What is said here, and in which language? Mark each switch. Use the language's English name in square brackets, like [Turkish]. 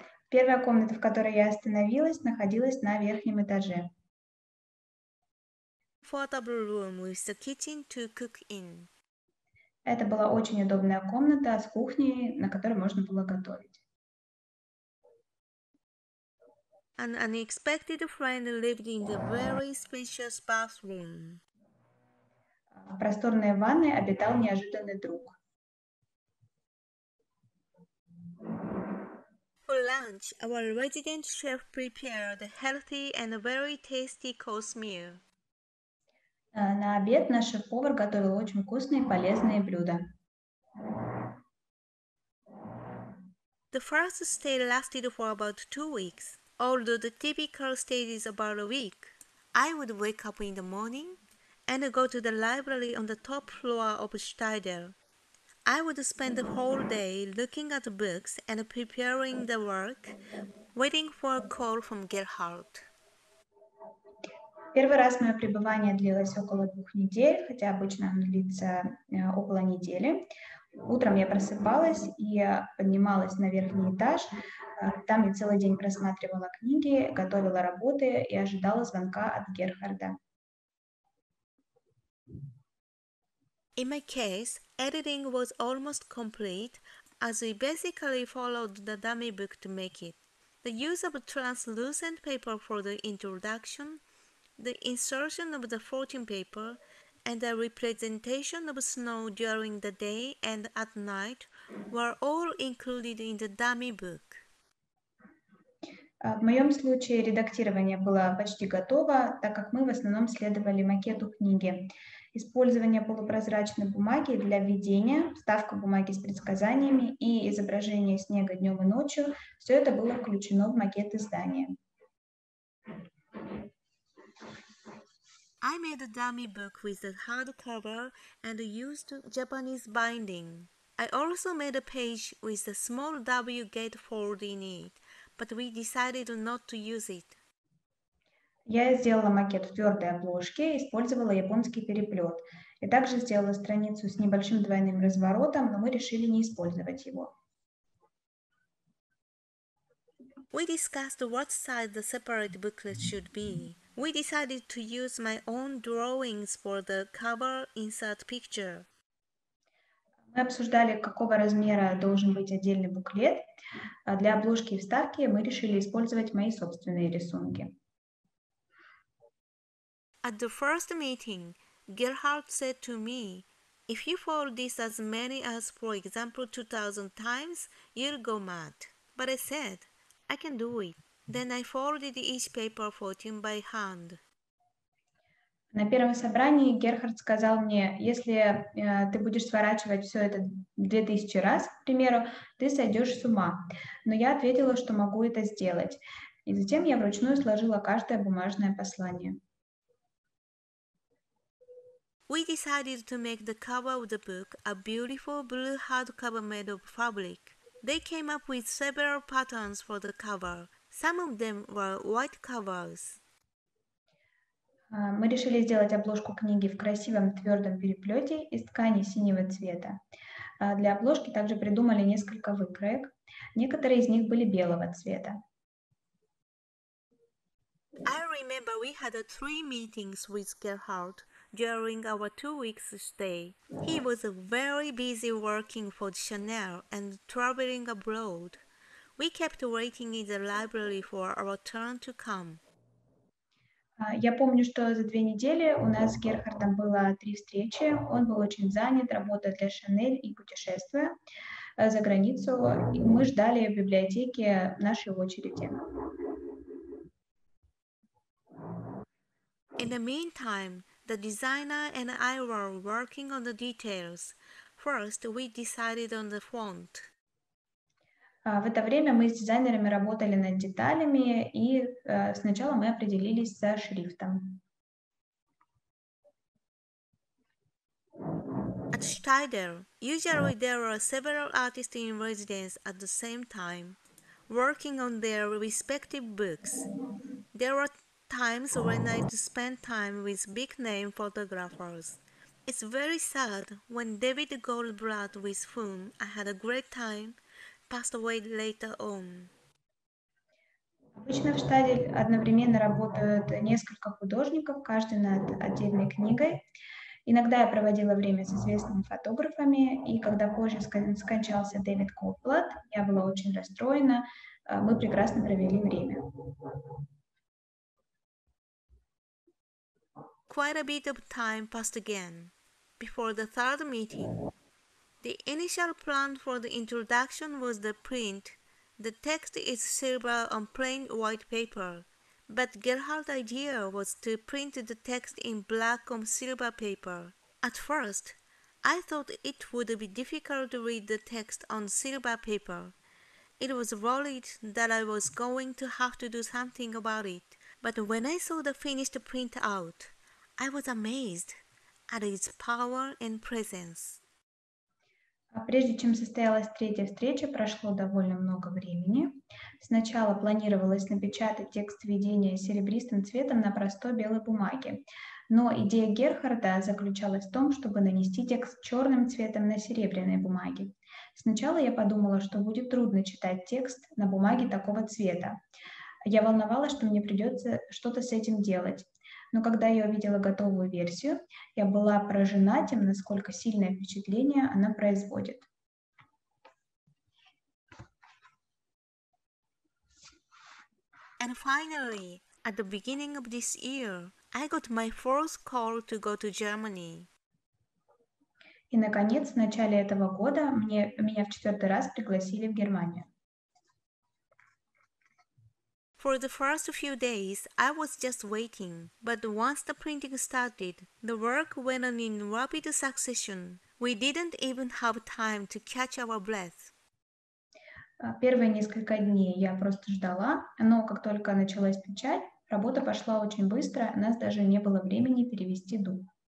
[Russian] Первая комната, в которой я остановилась, находилась на верхнем этаже. [English] Comfortable room with the kitchen to cook in. [Russian] Это была очень удобная комната с кухней, на которой можно было готовить. [English] An unexpected friend lived in the very spacious bathroom. [Russian] В просторной ванной обитал неожиданный друг. [English] For lunch, our resident chef prepared a healthy and very tasty course meal. [Russian] На обед наш шеф-повар готовил очень вкусные и полезные блюда. [English] The first stay lasted for about 2 weeks, although the typical stay is about a week. I would wake up in the morning and go to the library on the top floor of Steidl. I would spend the whole day looking at books and preparing the work, waiting for a call from Gerhard. [Russian] Первый раз мое пребывание длилось около 2 недель, хотя обычно оно длится около недели. Утром я просыпалась и поднималась на верхний этаж. Там я целый день просматривала книги, готовила работы и ожидала звонка от Герхарда. [English] In my case, editing was almost complete, as we basically followed the dummy book to make it. The use of translucent paper for the introduction, the insertion of the fortune paper, and the representation of snow during the day and at night were all included in the dummy book. [Russian] В моем случае редактирование было почти готово, так как мы в основном следовали макету книги. Использование полупрозрачной бумаги для введения, вставка бумаги с предсказаниями и изображение снега днем и ночью – все это было включено в макет издания. [English] I made a dummy book with a hardcover and used Japanese binding. I also made a page with a small W gatefold in it, but we decided not to use it. [Russian] Я сделала макет в твердой обложке, использовала японский переплет. И также сделала страницу с небольшим двойным разворотом, но мы решили не использовать его. [English] We discussed what size the separate booklet should be. We decided to use my own drawings for the cover insert picture. [Russian] Мы обсуждали, какого размера должен быть отдельный буклет. Для обложки и вставки мы решили использовать мои собственные рисунки. [English] At the first meeting, Gerhard said to me, if you fold this as many as, for example, 2,000 times, you'll go mad. But I said, I can do it. Then I folded each paper fortune by hand. [Russian] На первом собрании Герхард сказал мне, если ты будешь сворачивать все это 2000 раз, к примеру, ты сойдешь с ума. Но я ответила, что могу это сделать. И затем я вручную сложила каждое бумажное послание. [English] We decided to make the cover of the book a beautiful blue hardcover made of fabric. They came up with several patterns for the cover. Some of them were white covers. [Russian] Мы решили сделать обложку книги в красивом твердом переплете из ткани синего цвета. Для обложки также придумали несколько выкроек. Некоторые из них были белого цвета. [English] I remember we had 3 meetings with Gerhard during our 2 weeks stay. He was very busy working for Chanel and traveling abroad. We kept waiting in the library for our turn to come. [Russian] Я помню, что за две недели у нас с Герхардом было три встречи. Он был очень занят, работая для Шанель и путешествуя за границу. И мы ждали в библиотеке нашей очереди. [English] In the meantime, the designer and I were working on the details. First, we decided on the font. [Russian] В это время мы с дизайнерами работали над деталями, и сначала мы определились со шрифтом. [English] At Steidl, usually there are several artists in residence at the same time, working on their respective books. There are times when I spend time with big name photographers. It's very sad when David Goldblatt, with whom I had a great time, passed away later on. [Russian] Обычно в Штаде одновременно работают несколько художников, каждый над отдельной книгой. Иногда я проводила время с известными фотографами, и когда позже скончался Дэвид Коплад, я была очень расстроена. Мы прекрасно провели время. [English] Quite a bit of time passed again before the third meeting. The initial plan for the introduction was the print. The text is silver on plain white paper, but Gerhard's idea was to print the text in black on silver paper. At first, I thought it would be difficult to read the text on silver paper. It was worried that I was going to have to do something about it, but when I saw the finished print out, I was amazed at its power and presence. [Russian] Прежде чем состоялась третья встреча, прошло довольно много времени. Сначала планировалось напечатать текст введения серебристым цветом на простой белой бумаге. Но идея Герхарда заключалась в том, чтобы нанести текст черным цветом на серебряной бумаге. Сначала я подумала, что будет трудно читать текст на бумаге такого цвета. Я волновалась, что мне придется что-то с этим делать. Но когда я увидела готовую версию, я была поражена тем, насколько сильное впечатление она производит. [English] And finally, at the beginning of this year, I got my first call to go to Germany. [Russian] И, наконец, в начале этого года меня в четвертый раз пригласили в Германию. [English] For the first few days, I was just waiting, but once the printing started, the work went on in rapid succession. We didn't even have time to catch our breath. [Russian] Первые несколько дней я просто ждала, но как только началась печать, работа пошла очень быстро, нас даже не было времени перевести дух.